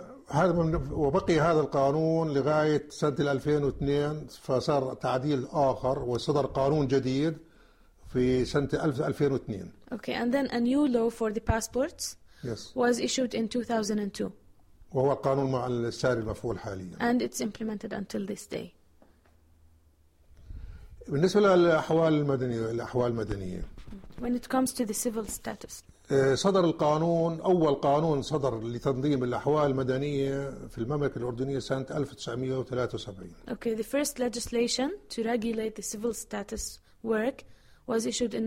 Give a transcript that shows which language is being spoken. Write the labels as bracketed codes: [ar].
[ar] هذا وبقي هذا القانون لغاية سنة 2002، فصار تعديل آخر وصدر قانون جديد في سنة 2002. [en] Okay, and then a new law for the passports. Yes. Was issued in 2002. [ar] وهو القانون مع الساري المفعول حاليا. [en] And it's implemented until this day. [ar] بالنسبة للأحوال المدنية، [en] When it comes to the civil status. [ar] صدر القانون، أول قانون صدر لتنظيم الأحوال المدنية في المملكة الأردنية سنة 1973. [en] Okay, the first legislation to regulate the civil status work was issued in